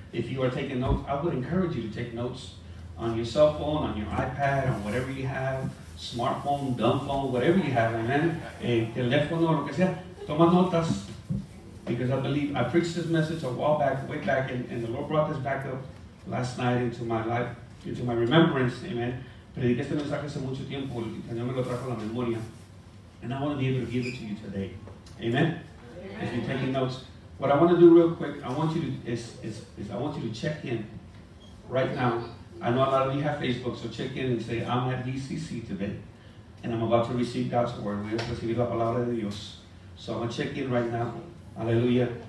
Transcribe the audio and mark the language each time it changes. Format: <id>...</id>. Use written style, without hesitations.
<en>If you are taking notes, I would encourage you to take notes on your cell phone, on your iPad, on whatever you have, smartphone, dumb phone, whatever you have, amen?</en> <es>Teléfono, lo que sea. Toma notas.</es> <en>Because I believe, I preached this message a while back, way back, and the Lord brought this back up last night into my life, into my remembrance, amen?</en> <es>Prediqué este mensaje hace mucho tiempo, el Señor me lo trajo a la memoria.</es> <en>And I want to be able to give it to you today. Amen? If you're taking notes. What I want to do real quick, I want you to I want you to check in right now. I know a lot of you have Facebook, so check in and say, I'm at VCC today. And I'm about to receive God's word.</en> <es>Voy a recibir la palabra de Dios.</es> <en>So I'm going to check in right now. Hallelujah.</en>